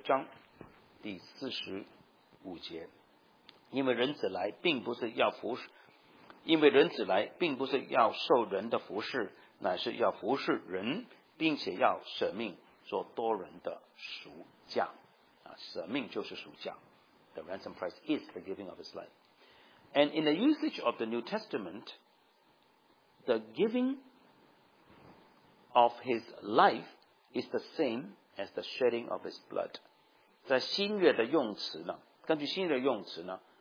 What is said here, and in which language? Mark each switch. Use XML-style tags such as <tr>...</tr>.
<zh>在马太福音第二十章第二十八节，还有马可第十章第四十五节，马太第二十章第二十八节，正如人子来不是要受人的服侍，乃是要服侍人，并且要舍命做多人的赎价。马可福音第十章第四十五节。因为人子来并不是要服侍，因为人子来并不是要受人的服侍，乃是要服侍人，并且要舍命做多人的赎价。啊，舍命就是赎价。</zh> <en>The ransom price is the giving of his life. And in the usage of the New Testament, the giving of his life is the same as the shedding of his blood.</en> <zh>在新约的用词呢，根据新约的用词呢。</zh>